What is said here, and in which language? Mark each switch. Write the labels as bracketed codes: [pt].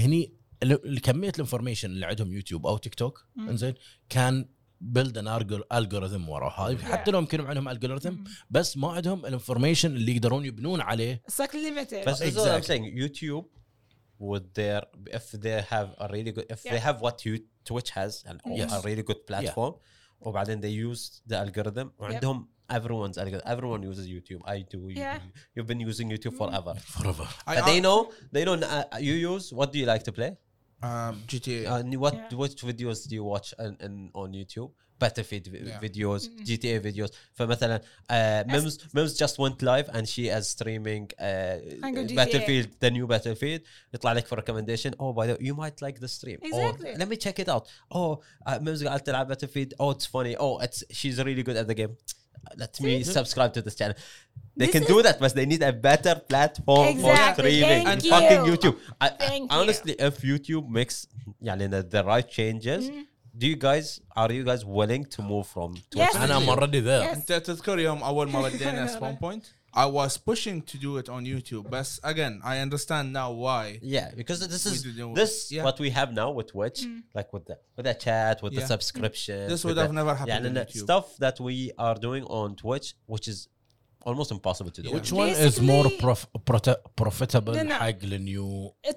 [ar] هني الكمية الانفورميشن اللي عندهم يوتيوب أو تيك توك. [en] إنزين can build an algorithm وراها. [ar] حتى لو يمكن عندهم algorithm بس ما عندهم الانفورميشن اللي يقدرون يبنون عليه. [en] Exactly. Limited. But that's what I'm saying. YouTube. Would there if they have a really good if they have what you Twitch has and a really good platform or but then they use the algorithm عندهم everyone's algorithm everyone uses YouTube I do you've been using YouTube forever but they know you use what do you like to play GTA and what which videos do you watch on YouTube Battlefield videos, GTA videos. For مثلا Mims just went live and she is streaming Battlefield, the new Battlefield. يطلع لك for recommendation. Oh, by the way, you might like the stream. Exactly. Oh, let me check it out. Oh, Mims قالت تلعب Battlefield. Oh, it's funny. Oh, it's she's really good at the game. Let me subscribe to this channel. They can do that, but they need a better platform for streaming and fucking YouTube. Honestly, if YouTube makes the right changes. Are you guys willing to move from Twitch? Yes. I'm already there. [ar] أنت تذكر يوم أول مرة دينا spawn point? [en] I was pushing to do it on YouTube, but again, I understand now why. Yeah, because this is what we have now with Twitch, like with the chat, with the subscription. This would have never happened on YouTube. Stuff that we are doing on Twitch, which is almost impossible to do. Which one is more profitable حق النيو